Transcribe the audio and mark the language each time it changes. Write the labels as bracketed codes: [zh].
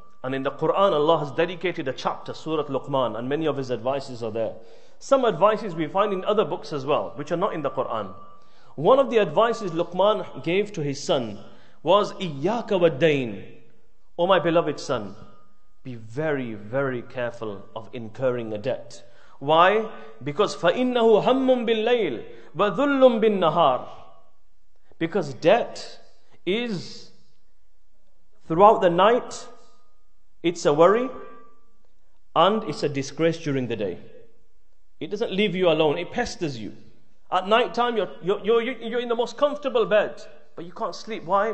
[en] And in the Quran, Allah has dedicated a chapter, Surah Luqman, and many of his advices are there. Some advices we find in other books as well, which are not in the Quran. One of the advices Luqman gave to his son was, [ar] إِيَّاكَ وَالدَّيْنِ. [en] O my beloved son, be very, very careful of incurring a debt. Why? Because [ar] فَإِنَّهُ هَمٌّ بِاللَّيْلِ وَذُلٌّ بِالنَّهَارِ. [en] Because debt is throughout the night, it's a worry, and it's a disgrace during the day. It doesn't leave you alone, it pesters you. At night time, you're in the most comfortable bed, but you can't sleep. Why?